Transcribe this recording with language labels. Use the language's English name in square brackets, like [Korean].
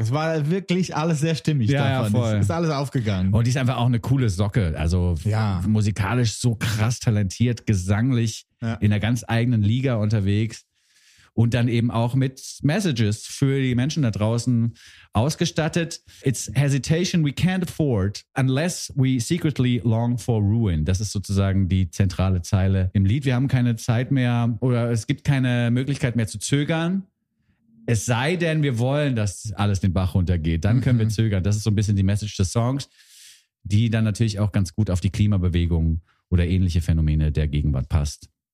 [German] Es war wirklich alles sehr stimmig davon. Ja, voll. Ist alles aufgegangen. Und die ist einfach auch eine coole Socke. Also musikalisch so krass talentiert, gesanglich in einer ganz eigenen Liga unterwegs. Und dann eben auch mit Messages für die Menschen da draußen ausgestattet. [English] It's hesitation we can't afford unless we secretly long for ruin. [German] Das ist sozusagen die zentrale Zeile im Lied. Wir haben keine Zeit mehr oder es gibt keine Möglichkeit mehr zu zögern. Es sei denn, wir wollen, dass alles den Bach runtergeht. Dann können wir zögern. Das ist so ein bisschen die Message des Songs, die dann natürlich auch ganz gut auf die Klimabewegung oder ähnliche Phänomene der Gegenwart passt.